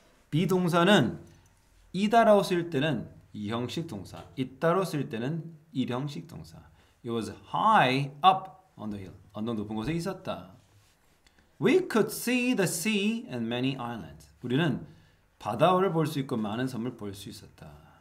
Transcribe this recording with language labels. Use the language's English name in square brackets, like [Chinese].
[Korean] 비 동사는 이다라고 쓸 때는 2형식 동사, 있다로 쓸 때는 1형식 동사. [English] It was high up on the hill. [Korean] 언덕 높은 곳에 있었다. [English] We could see the sea and many islands. [Korean] 우리는 바다를 볼 수 있고 많은 섬을 볼 수 있었다.